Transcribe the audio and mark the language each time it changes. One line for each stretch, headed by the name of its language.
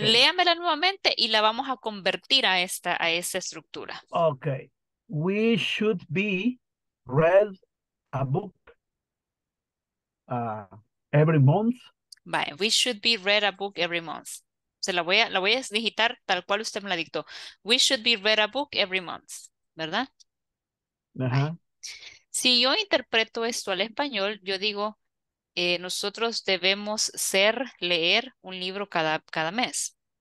Spanish: Léamela nuevamente y la vamos a convertir a esta estructura.
English: Okay. We should be read a book every month. Bye. We should be read a book every month.
Spanish: Se la voy a digitar tal cual usted me la dictó.
English: We should be read a book every month,
Spanish: ¿verdad? Ajá. Si yo interpreto esto al español, yo digo, nosotros debemos leer un libro cada mes.